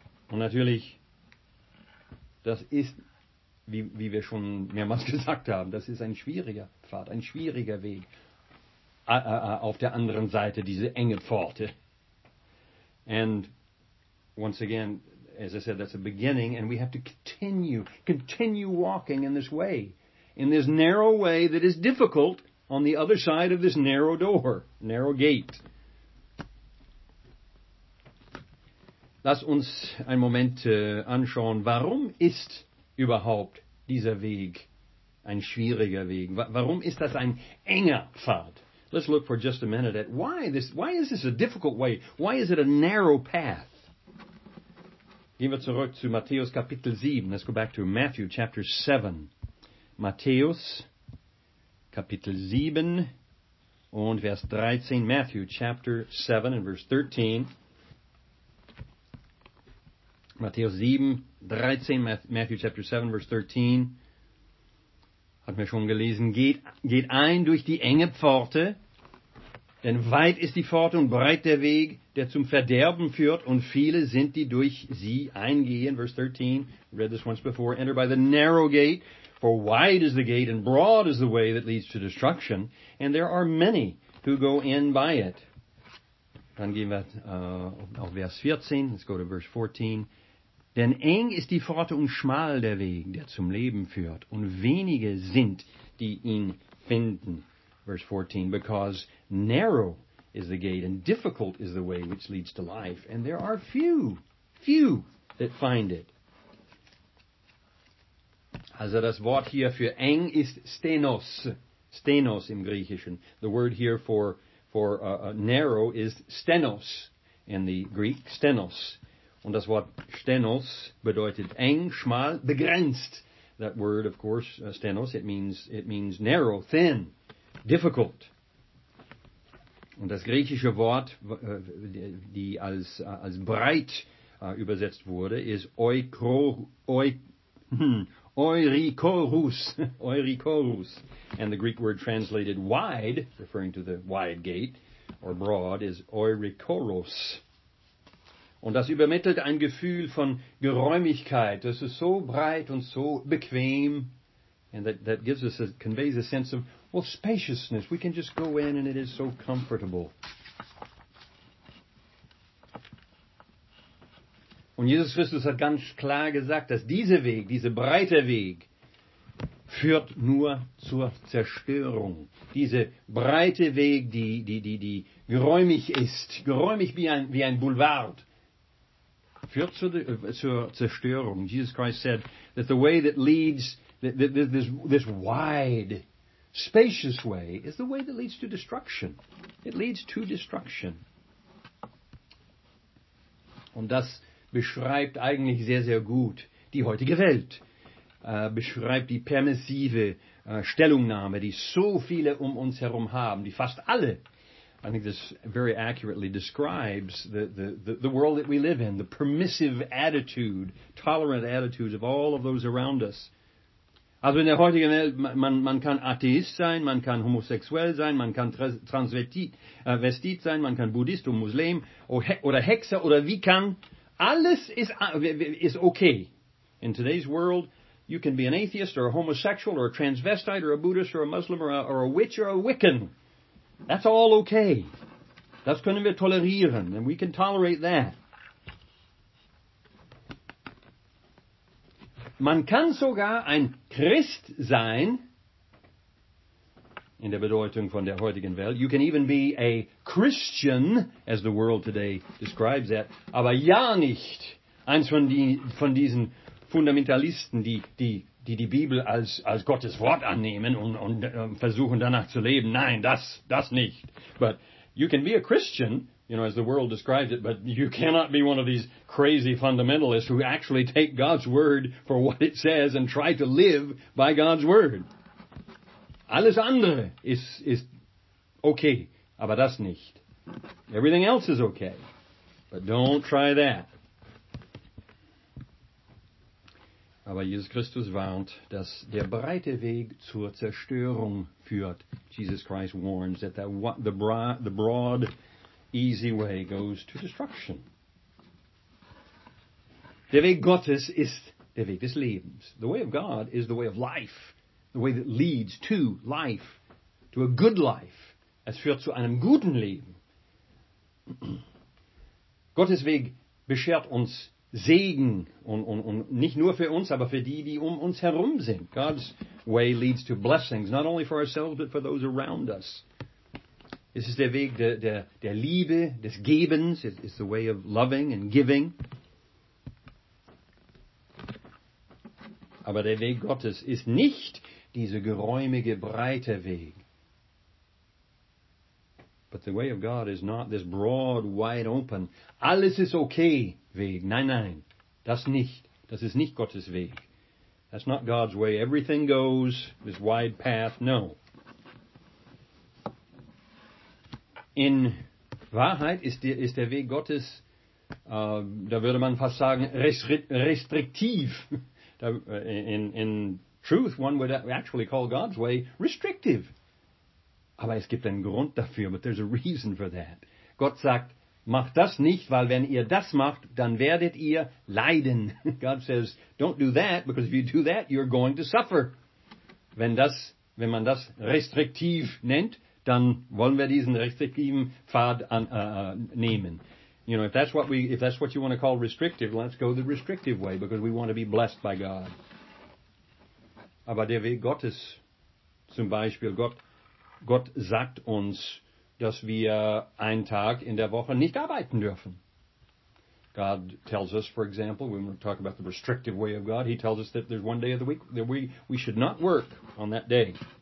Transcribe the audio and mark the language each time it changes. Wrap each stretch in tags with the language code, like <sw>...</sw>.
<de>Und natürlich, das ist, wie wir schon mehrmals gesagt haben, das ist ein schwieriger Pfad, ein schwieriger Weg. Auf der anderen Seite, diese enge Pforte.</de> <en>And once again, as I said, that's a beginning, and we have to continue walking in this way. In this narrow way that is difficult on the other side of this narrow door, narrow gate.</en> <de>Lass uns einen Moment anschauen, warum ist überhaupt dieser Weg ein schwieriger Weg? Warum ist das ein enger Pfad?</de> <en>Let's look for just a minute at why is this a difficult way? Why is it a narrow path?</en> <de>Gehen wir zurück zu Matthäus Kapitel 7.</de> <en>Let's go back to Matthew chapter 7.</en> <de>Matthäus Kapitel 7 und Vers 13.</de> <en>Matthew chapter 7 and verse 13.</en> <de>Matthäus 7, 13,</de> <en>Matthew chapter 7, verse 13,</en> <de>hat mir schon gelesen, geht ein durch die enge Pforte, denn weit ist die Pforte und breit der Weg, der zum Verderben führt, und viele sind, die durch sie eingehen.</de> <en>Verse 13, read this once before, enter by the narrow gate, for wide is the gate, and broad is the way that leads to destruction, and there are many who go in by it.</en> <de>Dann gehen wir auf Vers 14,</de> <en>let's go to verse 14.</en> <de>Denn eng ist die Pforte und schmal der Weg, der zum Leben führt, und wenige sind, die ihn finden.</de> <en>Verse 14, because narrow is the gate, and difficult is the way which leads to life, and there are few that find it.</en> <de>Also das Wort hier für eng ist stenos im Griechischen.</de> <en>The word here for narrow is stenos in the Greek, stenos.</en> <de>Und das Wort stenos bedeutet eng, schmal, begrenzt.</de> <en>That word, of course, stenos, it means narrow, thin, difficult.</en> <de>Und das griechische Wort, die als breit übersetzt wurde, ist eurikorus.</de> <en>And the Greek word translated wide, referring to the wide gate, or broad, is eurikoros.</en> <de>Und das übermittelt ein Gefühl von Geräumigkeit. Das ist so breit und so bequem.</de> <en>And that gives us conveys a sense of, well, spaciousness. We can just go in and it is so comfortable.</en> <de>Und Jesus Christus hat ganz klar gesagt, dass dieser Weg, dieser breite Weg, führt nur zur Zerstörung. Diese breite Weg, die geräumig ist, geräumig wie ein Boulevard, führt zur Zerstörung.</de> <en>Jesus Christ said that the way that leads, this wide, spacious way, is the way that leads to destruction. It leads to destruction.</en> <de>Und das beschreibt eigentlich sehr, sehr gut die heutige Welt. Beschreibt die permissive Stellungnahme, die so viele um uns herum haben, die fast alle.</de> <en>I think this very accurately describes the world that we live in, the permissive attitude, tolerant attitudes of all of those around us.</en> <de>Also in der heutigen Welt, man kann Atheist sein, man kann homosexuell sein, man kann transvestit sein, man kann Buddhist und Muslim oder Hexer oder wie kann. Alles ist okay.</de> <en>In today's world, you can be an atheist or a homosexual or a transvestite or a Buddhist or a Muslim or a witch or a Wiccan. That's all okay.</en> <de>Das können wir tolerieren,</de> <en>and we can tolerate that.</en> <de>Man kann sogar ein Christ sein, in der Bedeutung von der heutigen Welt.</de> <en>You can even be a Christian, as the world today describes that,</en> <de>aber ja nicht eins von diesen Fundamentalisten, die Bibel als Gottes Wort annehmen und versuchen danach zu leben. Nein, das nicht.</de> <en>But you can be a Christian, you know, as the world describes it, but you cannot be one of these crazy fundamentalists who actually take God's word for what it says and try to live by God's word.</en> <de>Alles andere ist okay, aber das nicht.</de> <en>Everything else is okay, but don't try that.</en> <de>Aber Jesus Christus warnt, dass der breite Weg zur Zerstörung führt.</de> <en>Jesus Christ warns that the broad, easy way goes to destruction.</en> <de>Der Weg Gottes ist der Weg des Lebens.</de> <en>The way of God is the way of life. The way that leads to life. To a good life.</en> <de>Es führt zu einem guten Leben. Gottes Weg beschert uns Segen und nicht nur für uns, aber für die um uns herum sind.</de> <en>God's way leads to blessings, not only for ourselves, but for those around us.</en> <de>Es ist der Weg der Liebe, des Gebens.</de> <en>It's the way of loving and giving.</en> <de>Aber der Weg Gottes ist nicht dieser geräumige, breite Weg.</de> <en>But the way of God is not this broad, wide open,</en> <de>alles ist okay Weg. Nein, nein, das nicht. Das ist nicht Gottes Weg.</de> <en>That's not God's way. Everything goes, this wide path, no.</en> <de>In Wahrheit ist der Weg Gottes, da würde man fast sagen, restriktiv.</de> <en>In truth, one would actually call God's way restrictive.</en> <de>Aber es gibt einen Grund dafür,</de> <en>but there's a reason for that.</en> <de>Gott sagt, macht das nicht, weil wenn ihr das macht, dann werdet ihr leiden.</de> <en>God says, don't do that, because if you do that, you're going to suffer.</en> <de>Wenn man das restriktiv nennt, dann wollen wir diesen restriktiven Pfad nehmen.</de> <en>You know, if that's what you want to call restrictive, let's go the restrictive way, because we want to be blessed by God.</en> <de>Aber der Weg Gottes, zum Beispiel, Gott sagt uns, dass wir einen Tag in der Woche nicht arbeiten dürfen.</de> <en>God tells us, for example, when we talk about the restrictive way of God, he tells us that there's one day of the week that we should not work on that day.</en>